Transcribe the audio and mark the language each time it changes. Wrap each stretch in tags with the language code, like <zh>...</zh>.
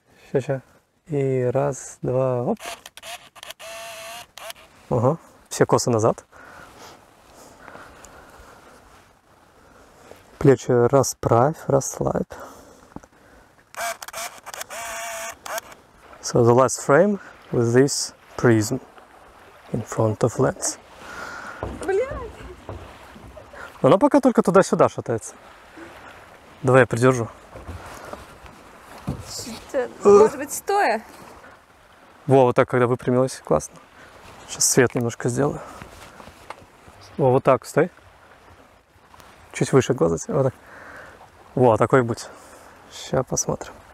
<ru>Сейчас. И раз, два, оп. Ага, все косы назад. Плечи расправь, расслабь.</ru> <en>So the last frame with this prism in front of lens.</en> <ru>Блядь! Она пока только туда-сюда шатается. Давай я придержу. Может быть стоя? Во, вот так, когда выпрямилась, классно. Сейчас свет немножко сделаю. Во, вот так, стой. Чуть выше глаза. Вот так. Во, такой будь. Сейчас посмотрим.</ru>